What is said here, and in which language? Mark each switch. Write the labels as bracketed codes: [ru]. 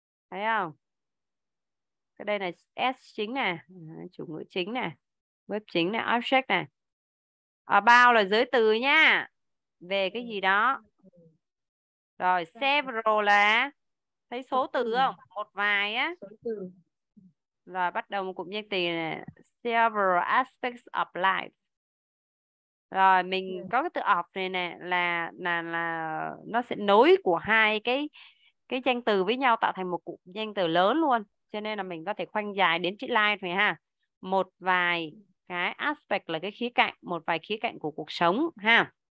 [vi] Thấy không? Cái đây này S chính nè. Chủ ngữ chính nè. Verb chính nè. Object nè. About là giới từ nha. Về cái gì đó. Rồi, several là thấy số từ không? Một vài á. Số Rồi bắt đầu một cụm danh từ này. [en] Several aspects of life. [vi] Rồi mình có cái từ of này nè. Là nó sẽ nối của hai cái danh từ với nhau tạo thành một cụm danh từ lớn luôn. Cho nên là mình có thể khoanh dài đến chữ life này ha. Một vài cái aspect là cái khía cạnh. Một vài khía cạnh của cuộc sống ha.